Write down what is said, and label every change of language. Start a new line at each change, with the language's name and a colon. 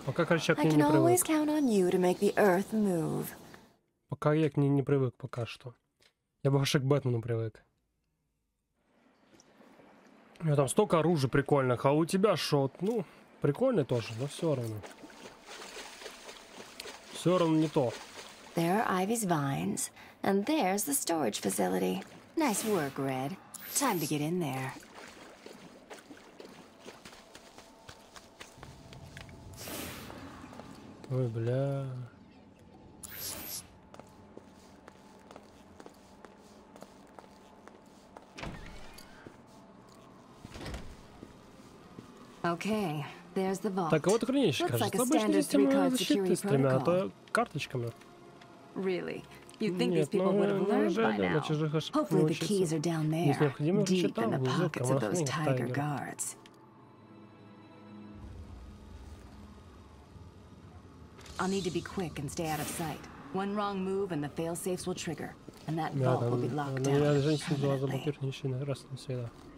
Russian: Пока, короче, я к ней не привык. Пока что. Я больше к Бэтмену привык. У меня там столько оружия прикольных, а у тебя шот. Ну, прикольный тоже, но все равно. Все равно не то.
English: There are Ivy's vines, and there's the storage facility. Nice work, Red. Time to get in there.
Russian: Ой, бля.
English: Okay, there's the vault.
Russian: Так, а вот хранилище, кажется, обычная система защиты с тремя карточками.
English: Really? You think these people would have learned by now? Hopefully the keys are down there, deep in the pockets of those tiger guards. I'll need to be quick and stay out of sight. One wrong move and the fail safes will trigger, and that vault will be locked down.
Russian: Я женщин была заблокированная раз на всегда.